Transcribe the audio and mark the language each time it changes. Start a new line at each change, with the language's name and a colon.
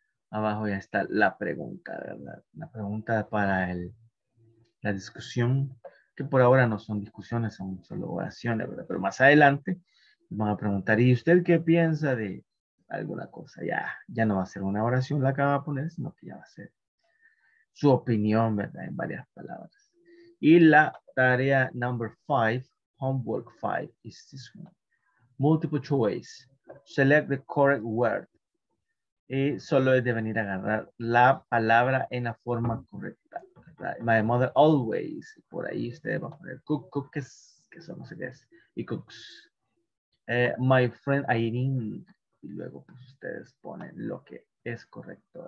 Spanish: Abajo ya está la pregunta, ¿verdad? La pregunta para la discusión, que por ahora no son discusiones, son solo oraciones, ¿verdad? Pero más adelante van a preguntar, ¿y usted qué piensa de alguna cosa. Ya no va a ser una oración la que va a poner, sino que ya va a ser su opinión, ¿verdad? En varias palabras. Y la tarea
English: number 5, homework 5, is this one. Multiple choice. Select the correct word.
Spanish: Y solo es de venir a agarrar la palabra en la forma correcta, ¿verdad?
English: My mother always.
Spanish: Por ahí ustedes van a poner cook, cook, que son los ideas. Y cooks.
English: My friend Irene.
Spanish: Y luego pues, ustedes ponen lo que es correcto.